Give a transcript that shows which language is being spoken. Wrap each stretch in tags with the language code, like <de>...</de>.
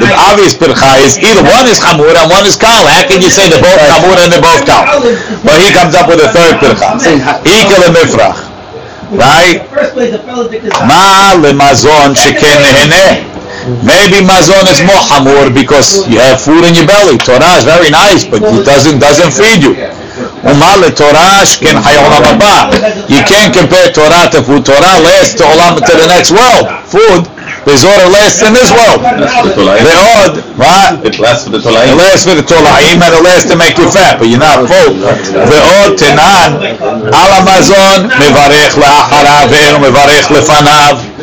<en>The obvious pircha is either one is Hamur and one is Kal. How can you say they're both Hamur and they're both Kal? But he comes up with a third pircha. Ikele Mifrach. Right?</en> <he>Ma le mazon sheken nehene.</he> <en>Maybe mazon is more Hamur because you have food in your belly. Torah is very nice, but it doesn't feed you.</en> <he>ומה לתורה שכן חי עולם הבא.</he> <en>You can't compare Torah to food. Torah lasts to olam to the next world. Food is all that lasts in this world.</en> <he>ועוד,</he> <en>what? It lasts for the tolaim and it lasts to make you fat, but you're not full.</en> <he>ועוד תנן על המזון מברך לאחריו ואינו מברך לפניו.</he>